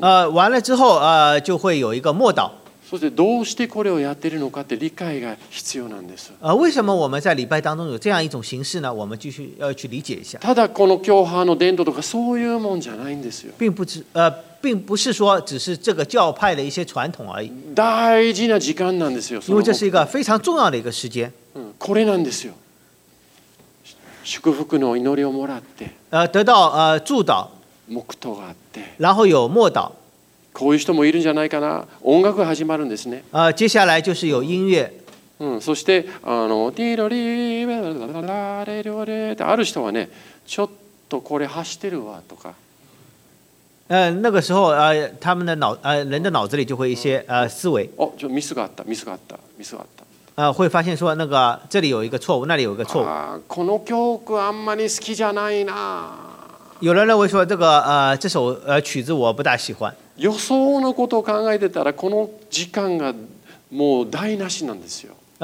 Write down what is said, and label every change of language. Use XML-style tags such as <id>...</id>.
<zh>完了之后就会有一个默祷。</zh> <ja>そしてどうしてこれをやっているのかって理解が必要なんです。</ja> <zh>为什么我们在礼拜当中有这样一种形式呢？我们继续要去理解一下。</zh> <ja>ただこの教派の伝道とかそういうもんじゃないんですよ。</ja> <zh>并不是说只是这个教派的一些传统而已。</zh> <ja>大事な時間なんですよ。</ja> <zh>因为这是一个非常重要的一个时间。</zh> <ja>これなんですよ。祝福の祈りをもらって</ja> <zh>得到祝祷</zh> <ja>黙祷があって、</ja> <zh>然后有默祷。</zh> <ja>こういう人もいるんじゃないかな。音楽が始まるんですね。</ja> <zh>接下来就是有音乐。</zh> <ja>そしてティロリベラレリョレってある人はね、ちょっとこれ走ってるわとか。</ja> <zh>那个时候他们的脑人的脑子里就会一些思维。</zh> <ja>お、ちょミスがあった、ミスがあった、ミスがあった。</ja> <zh>会发现说那个这里有一个错误，那里有一个错误。</zh> <ja>この教区あんまり好きじゃないな。</ja> <zh>有人认为说这个这首曲子我不大喜欢。</zh> <ja>予想のことを考えてたらこの時間がもう台無しなんですよ。</ja>